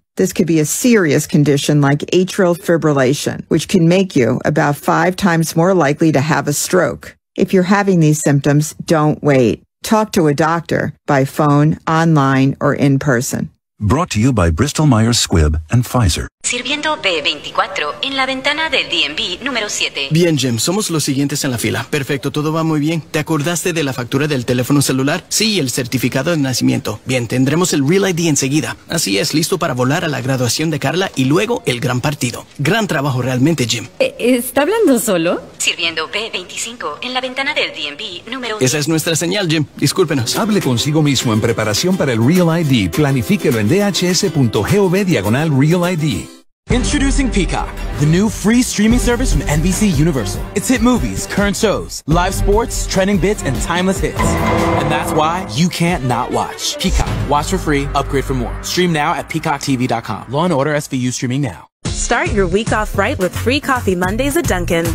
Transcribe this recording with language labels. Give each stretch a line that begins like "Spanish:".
English: This could be a serious condition like atrial fibrillation, which can make you about 5 times more likely to have a stroke. If you're having these symptoms, don't wait. Talk to a doctor by phone, online, or in person. Brought to you by Bristol-Myers Squibb and Pfizer.
Spanish: Sirviendo B24 en la ventana del DMV número 7. Bien, Jim, somos los siguientes en la fila. Perfecto, todo va muy bien. ¿Te acordaste de la factura del teléfono celular? Sí, el certificado de nacimiento. Bien, tendremos el Real ID enseguida. Así es, listo para volar a la graduación de Carla y luego el gran partido. Gran trabajo realmente, Jim. ¿Está hablando solo? Sirviendo B25 en la ventana del DMV número 7. Esa es nuestra señal, Jim. Discúlpenos. Hable consigo mismo en preparación para el Real ID. Planifíquelo en DHS.gov/Real ID.
English: Introducing Peacock, the new free streaming service from NBC Universal. It's hit movies, current shows, live sports, trending bits, and timeless hits. And that's why you can't not watch. Peacock, watch for free, upgrade for more. Stream now at peacocktv.com. Law & Order SVU streaming now. Start your week off right with free coffee Mondays at Dunkin'.